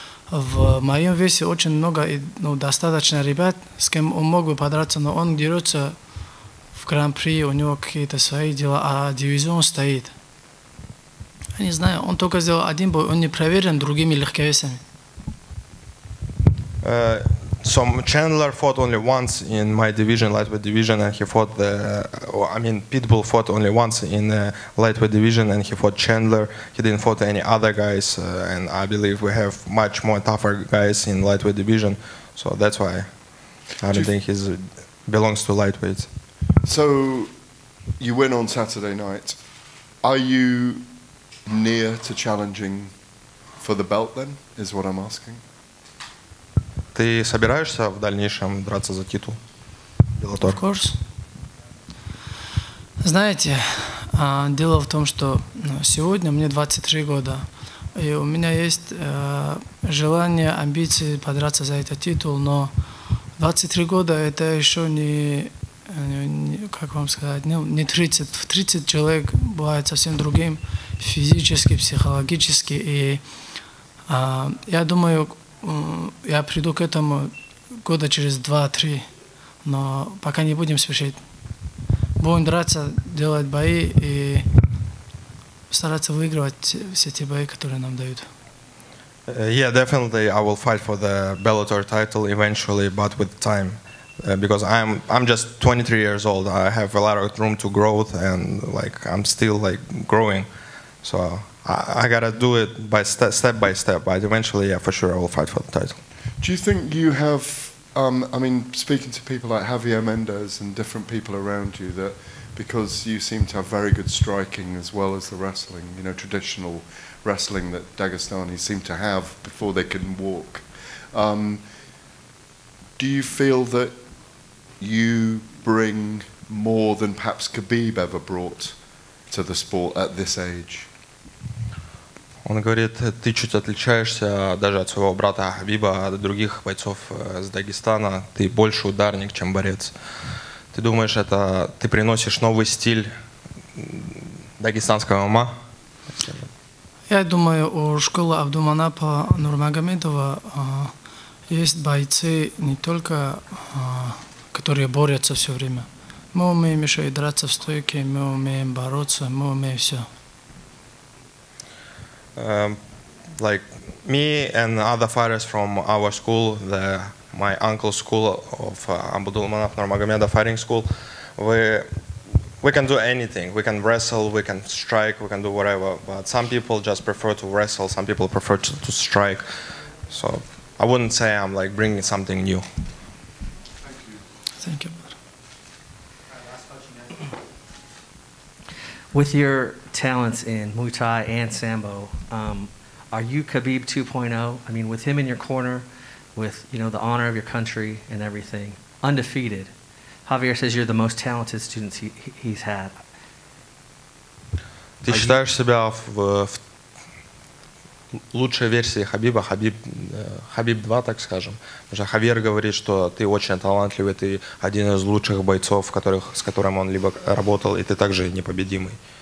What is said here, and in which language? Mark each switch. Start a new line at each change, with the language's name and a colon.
Russian: В моем весе очень много и ну, достаточно ребят, с кем он мог бы подраться, но он дерется в гран-при, у него какие-то свои дела, а дивизион стоит. Я не знаю, он только сделал один бой, он не проверен другими легковесами.
English: So Chandler fought only once in my division, lightweight division, and he fought the, Pitbull fought only once in the lightweight division, and he fought Chandler. He didn't fought any other guys, and I believe we have much more tougher guys in lightweight division. So that's why I don't think he belongs to lightweight. So you win on Saturday night. Are you near to challenging for the belt then, is what I'm asking?
Russian: Ты собираешься в дальнейшем драться за титул
English: Bellator? Of course.
Russian: Знаете, дело в том, что сегодня мне 23 года, и у меня есть желание, амбиции подраться за этот титул, но 23 года – это еще не как вам сказать, не 30. В 30 человек бывает совсем другим физически, психологически, и я думаю, я приду к этому года через 2-3, но пока не будем спешить. Будем драться, делать бои и стараться выигрывать все те бои, которые нам дают.
English: Yeah, definitely I will fight for the Bellator title eventually, but with time. Because I'm just 23 years old. I have a lot of room to grow and like I'm still like growing. So I gotta do it by step by step, but eventually, yeah, for sure, I will fight for the title. Do you think you have, speaking to people like Javier Mendez and different people around you, that because you seem to have very good striking as well as the wrestling, you know, traditional wrestling that Dagestanis seem to have before they can walk, do you feel that you bring more than perhaps Khabib ever brought to the sport at this age?
Russian: Он говорит, ты чуть отличаешься даже от своего брата Хабиба, от других бойцов с Дагестана. Ты больше ударник, чем борец. Ты думаешь, это ты приносишь новый стиль дагестанского ММА? Я думаю, у школы Абдуманапа Нурмагомедова есть бойцы не только, которые борются все время. Мы умеем еще и драться в стойке, мы умеем бороться, мы умеем все.
English: Like me and other fighters from our school, my uncle's school of Abdulmanap Nurmagomedov fighting school, we can do anything. We can wrestle, we can strike, we can do whatever. But some people just prefer to wrestle, some people prefer to strike. So I wouldn't say I'm like bringing something new. Thank you. Thank you. With your talents in Muay Thai and Sambo, are you Khabib 2.0? I mean, with him in your corner, with, you know, the honor of your country and everything, undefeated. Javier says you're the most talented student he's had.
Russian: Ты считаешь себя в лучшей версии Хабиба, Хабиб 2, так скажем. Потому что Хавьер говорит, что ты очень талантливый, ты один из лучших бойцов, с которым он либо работал, и ты также непобедимый.